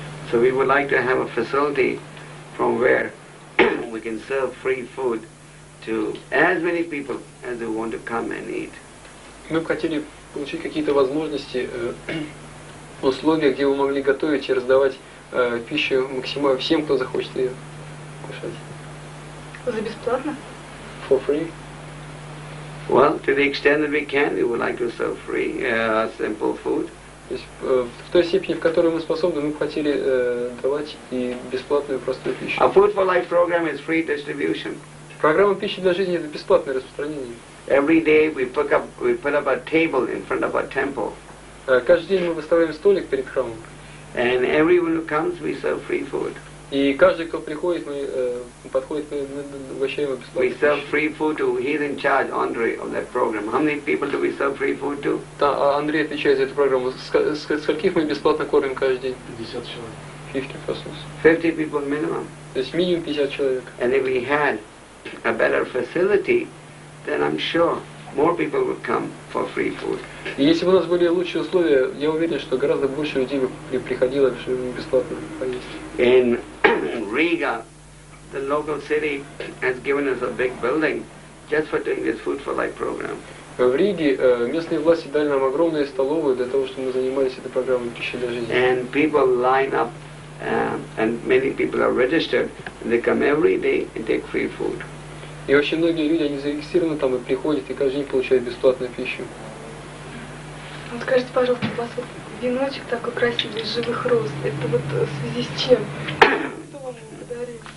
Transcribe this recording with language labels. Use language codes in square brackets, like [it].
[en] So we would like to have a facility from where we can serve free food to as many people as they want to come and eat. [ru] Мы бы хотели получить какие-то возможности, условия, где вы могли готовить и раздавать пищу максимально всем, кто захочет ее кушать. За бесплатно? [en] For free. Well, to the extent that we can, we would like to serve free, simple food. [ru] То есть в той степени, в которой мы способны, мы бы хотели давать и бесплатную простую пищу. [en] A food for life program is free distribution. [ru] Программа пищи для жизни — это бесплатное распространение. [en] Every day we put up a table in front of our temple. [ru] Каждый день мы выставляем столик перед храмом. [en] And everyone who comes, we serve free food. [ru] И каждый, кто приходит, мы подходит, мы угощаем его бесплатно. [en] We serve free food to. He's in charge, Andre, of that program. How many people do we serve free food to? [ru] Да, Андрей отвечает за эту программу. Скольких мы бесплатно кормим каждый день? 50 человек. [en] 50 persons. 50 people minimum. [ru] То есть минимум 50 человек. [en] And if we had a better facility, then I'm sure more people would come for free food. [ru] И если бы у нас были лучшие условия, я уверен, что гораздо больше людей бы приходило бесплатно поесть. [en] In Riga, the local city has given us a big building just for doing this food for life program. [ru] В Риге местные власти дали нам огромные столовые для того, чтобы мы занимались этой программой пищи для жизни. [en] And people line up, and many people are registered, and they come every day and take free food. [ru] И очень многие люди, они зарегистрированы там и приходят, и каждый день получают бесплатную пищу. Вот скажите, пожалуйста, у вас вот веночек такой красивый из живых роз. Это вот в связи с чем? Кто вам подарил?